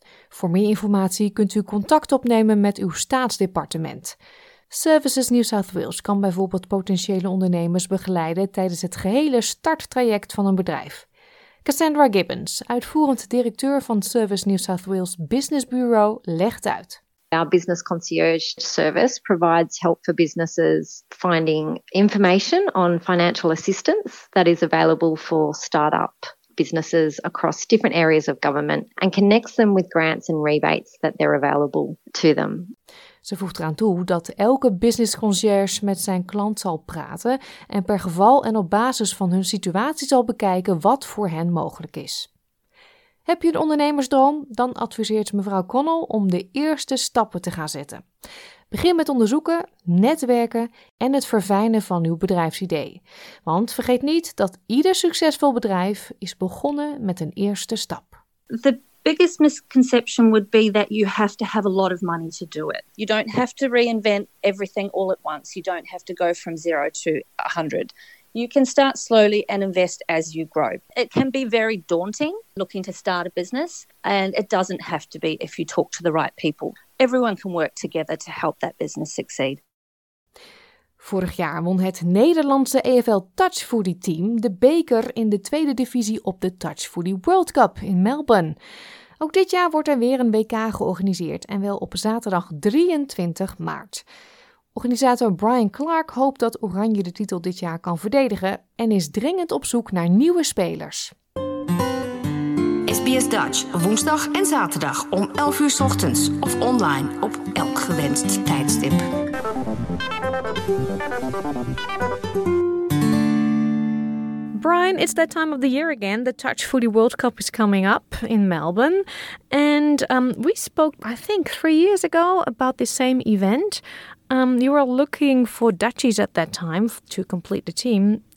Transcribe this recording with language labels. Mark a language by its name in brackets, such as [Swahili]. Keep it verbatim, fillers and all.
[Dutch] Voor meer informatie kunt u contact opnemen met uw staatsdepartement. Services New South Wales kan bijvoorbeeld potentiële ondernemers begeleiden tijdens het gehele starttraject van een bedrijf. Cassandra Gibbons, uitvoerend directeur van Service New South Wales Business Bureau, legt uit. [English] Our business concierge service provides help for businesses finding information on financial assistance that is available for start-up businesses across different areas of government and connects them with grants and rebates that they're available to them. [Dutch] Ze voegt eraan toe dat elke business concierge met zijn klant zal praten en per geval en op basis van hun situatie zal bekijken wat voor hen mogelijk is. Heb je een ondernemersdroom? Dan adviseert mevrouw Connell om de eerste stappen te gaan zetten. Begin met onderzoeken, netwerken en het verfijnen van uw bedrijfsidee. Want vergeet niet dat ieder succesvol bedrijf is begonnen met een eerste stap. [English] The biggest misconception would be that you have to have a lot of money to do it. You don't have to reinvent everything all at once. You don't have to go from zero to one hundred. You can start slowly and invest as you grow. It can be very daunting looking to start a business, and it doesn't have to be if you talk to the right people. Everyone can work together to help that business succeed. [Dutch] Vorig jaar won het Nederlandse E F L Touch Footy team de beker in de tweede divisie op de Touch Footy World Cup in Melbourne. Ook dit jaar wordt er weer een W K georganiseerd en wel op zaterdag drieëntwintig maart. Organisator Brian Clark hoopt dat Oranje de titel dit jaar kan verdedigen en is dringend op zoek naar nieuwe spelers. S B S Dutch, woensdag en zaterdag om elf uur 's ochtends of online op elk gewenst tijdstip. [English] Brian, it's that time of the year again. The Touch Footy World Cup is coming up in Melbourne. And um, we spoke, I think, three years ago about this same event. Um, you were looking for Dutchies at that time to complete the team.